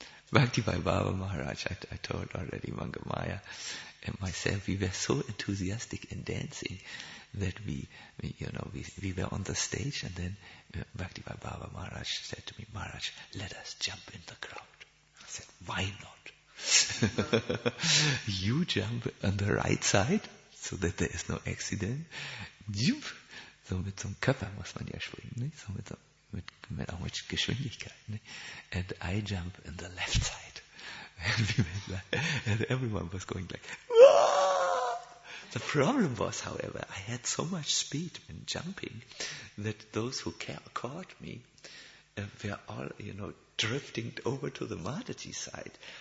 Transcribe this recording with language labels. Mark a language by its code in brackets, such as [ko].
[en] Bhakti Bhai Baba Maharaj, I told already Mangamaya and myself, we were so enthusiastic in dancing that we were on the stage, and then Bhakti Bhai Baba Maharaj said to me, "Maharaj, let us jump in the crowd." I said, "Why not? You jump on the right side so that there is no accident. Jump. [de] So mit so einem Körper muss man ja springen, nicht? So mit so mit auch mit Geschwindigkeit, ne? [en] And I jump in the left side. And we went like, and everyone was going like, "Wah!" The problem was, however, I had so much speed when jumping that those who caught me were all, drifting over to the Mataji side.